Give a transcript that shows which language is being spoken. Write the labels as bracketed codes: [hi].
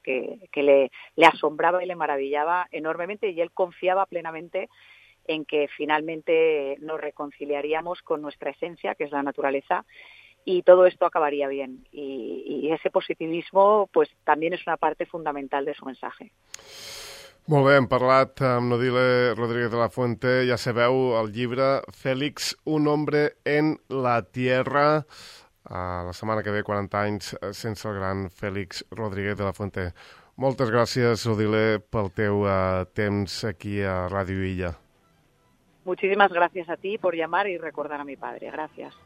[es] Que le asombraba y le maravillaba enormemente, y él confiaba plenamente en que finalmente nos reconciliaríamos con nuestra esencia, que es la naturaleza, y todo esto acabaría bien. Y ese positivismo, pues, también es una parte fundamental de su mensaje. [ca] Molt bé, hem parlat amb Nodile Rodríguez de la Fuente. Ja sabeu, el llibre Félix, un hombre en la tierra. La setmana que ve, 40 anys sense el gran Félix Rodríguez de la Fuente. Moltes gràcies, Odile, pel teu temps aquí a Ràdio Illa. [es] Muchísimas gracias a ti por llamar y recordar a mi padre. Gracias.